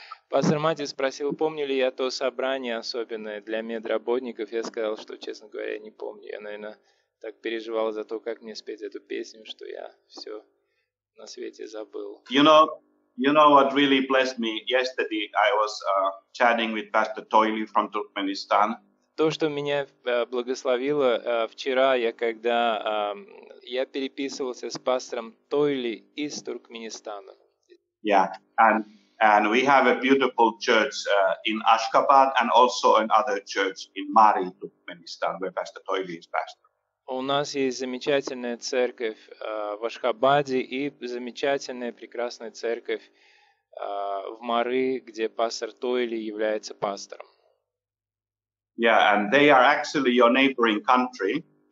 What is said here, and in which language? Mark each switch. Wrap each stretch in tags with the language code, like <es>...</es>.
<ru>Пастор Мати спросил, помню ли я то собрание особенное для медработников. Я сказал, что, честно говоря, не помню. Я, наверное, так переживал за то, как мне спеть эту песню, что я все на свете забыл.</ru> <en>You know what really blessed me? Yesterday I was chatting with Pastor Toily from Turkmenistan.</en> <ru>То, что меня благословило, вчера я, когда я переписывался с пастором Тойли из Туркменистана.</ru> <en>Yeah, and we have a beautiful church in Ashgabat and also another church in Mari, Turkmenistan, where Pastor Toily is pastor.</en> <ru>У нас есть замечательная церковь в Ашхабаде и замечательная, прекрасная церковь в Мары, где пастор Тойли является пастором.</ru> <en>Yeah, and they are actually your neighboring country.</en>